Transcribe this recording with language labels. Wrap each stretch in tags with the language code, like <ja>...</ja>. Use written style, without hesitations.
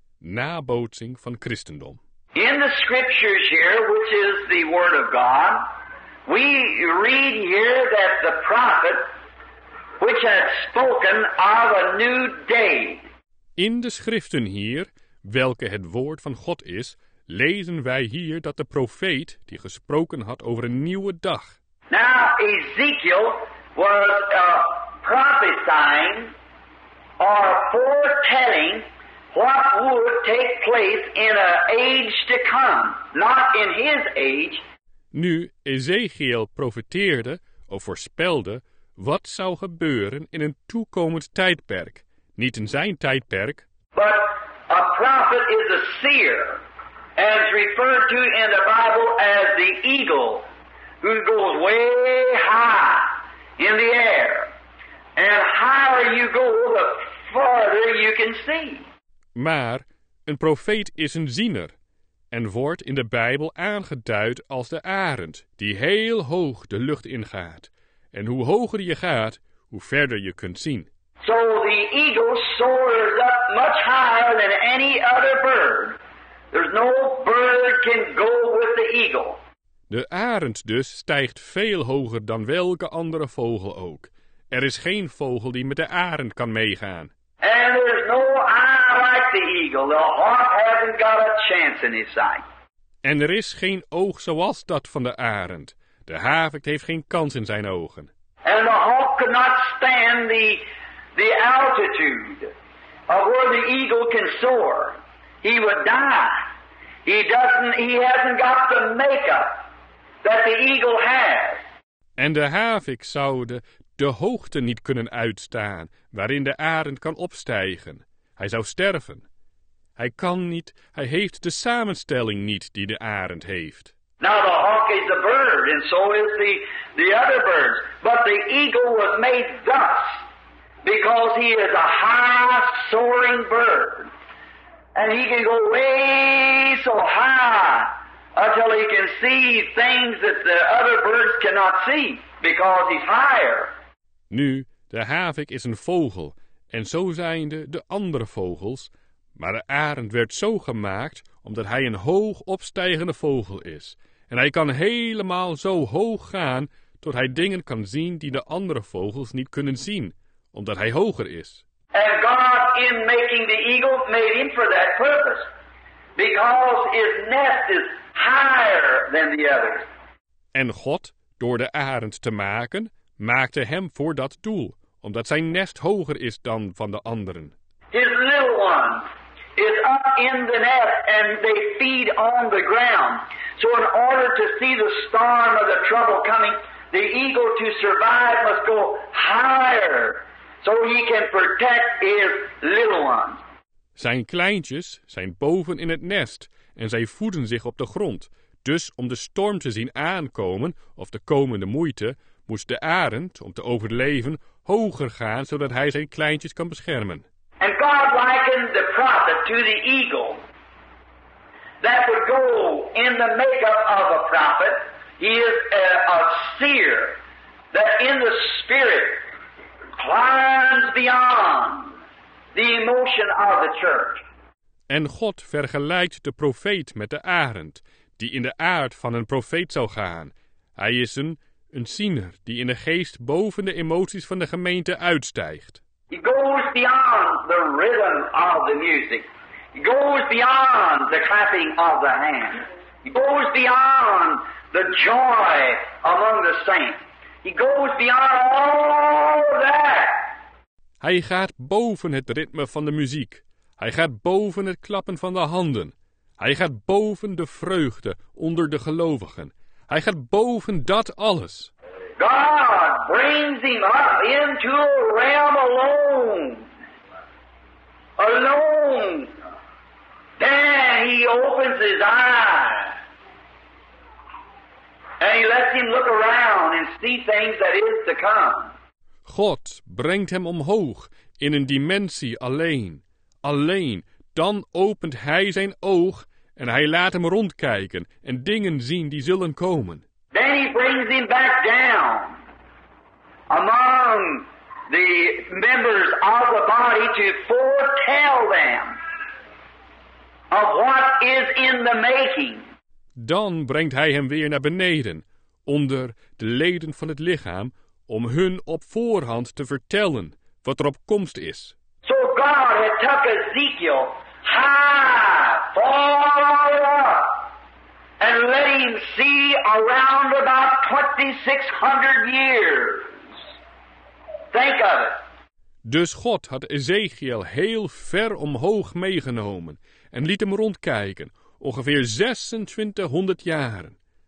<nl>Nabootsing van Christendom.</nl> <en>In the scriptures here, which is the word of God, we read here that the prophet which had spoken of a new day.</en> <nl>In de schriften hier, welke het woord van God is, lezen wij hier dat de profeet die gesproken had over een nieuwe dag.</nl> <en>Now Ezekiel was prophesying or foretelling what would take place in an age to come, not in his age.</en> <nl>Nu Ezekiel profeteerde of voorspelde wat zou gebeuren in een toekomend tijdperk, niet in zijn tijdperk.</nl> <en>But a prophet is a seer, and is referred to in the Bible as the eagle, who goes way high in the air. And higher you go, the farther you can see.</en> <nl>Maar een profeet is een ziener, en wordt in de Bijbel aangeduid als de arend, die heel hoog de lucht ingaat. En hoe hoger je gaat, hoe verder je kunt zien.</nl> <en>So the eagle soars up much higher than any other bird. There's no bird can go with the eagle.</en> <nl>De arend dus stijgt veel hoger dan welke andere vogel ook. Er is geen vogel die met de arend kan meegaan.</nl> <en>And there's no eye like the eagle. The hawk hasn't got a chance in his sight.</en> <nl>En er is geen oog zoals dat van de arend. De havik heeft geen kans in zijn ogen.</nl> <en>And the hawk could not stand the altitude of where the eagle can soar. He would die. He hasn't got the makeup that the eagle has.</en> <nl>En de havik zou de hoogte niet kunnen uitstaan waarin de arend kan opstijgen. Hij zou sterven. Hij kan niet, hij heeft de samenstelling niet die de arend heeft.</nl> <en>Now the hawk is a bird, and so is the other birds. But the eagle was made thus, because he is a high soaring bird. And he can go way so high until he can see things that the other birds cannot see, because he's higher.</en> <nl>Nu, de havik is een vogel, en zo zijn de andere vogels. Maar de arend werd zo gemaakt, omdat hij een hoog opstijgende vogel is. En hij kan helemaal zo hoog gaan, tot hij dingen kan zien die de andere vogels niet kunnen zien, omdat hij hoger is.</nl> <en>And God, in making the eagle, made him for that purpose. Because his nest is higher than the others.</en> <nl>En God, door de arend te maken, maakte hem voor dat doel, omdat zijn nest hoger is dan van de anderen.</nl> <en>His little one is up in the nest and they feed on the ground. So in order to see the storm of the trouble coming, the eagle to survive must go higher so he can protect his little one.</en> <nl>Zijn kleintjes zijn boven in het nest en zij voeden zich op de grond. Dus om de storm te zien aankomen of de komende moeite, moest de arend, om te overleven, hoger gaan zodat hij zijn kleintjes kan beschermen.</nl> <en>And God likened the prophet to the eagle that would go in the makeup of a prophet. He is a seer that in the spirit climbs beyond the emotion of the church.</en> <nl>En God vergelijkt de profeet met de arend die in de aard van een profeet zou gaan. Hij is een ziener die in de geest boven de emoties van de gemeente uitstijgt.</nl> <en>He goes beyond the rhythm of the music. He goes beyond the clapping of the hands. He goes beyond the joy among the saints. He goes beyond all that.</en> <nl>Hij gaat boven het ritme van de muziek. Hij gaat boven het klappen van de handen. Hij gaat boven de vreugde onder de gelovigen. Hij gaat boven dat alles.</nl> <en>God brings him up into a realm alone. Alone. Then he opens his eyes. And he lets him look around and see things that is to come.</en> <nl>God brengt hem omhoog in een dimensie alleen. Alleen. Dan opent hij zijn oog en hij laat hem rondkijken en dingen zien die zullen komen.</nl> <en>Then he brings him back down among the members of the body to foretell them of what is in the making.</en> <nl>Dan brengt hij hem weer naar beneden, onder de leden van het lichaam, om hun op voorhand te vertellen wat er op komst is.</nl> <en>So God had took Ezekiel high, far up, and let him see around about 2600 years. Think of it.</en> <nl>Dus God had Ezekiel heel ver omhoog meegenomen en liet hem rondkijken, ongeveer 2600 jaren.</nl>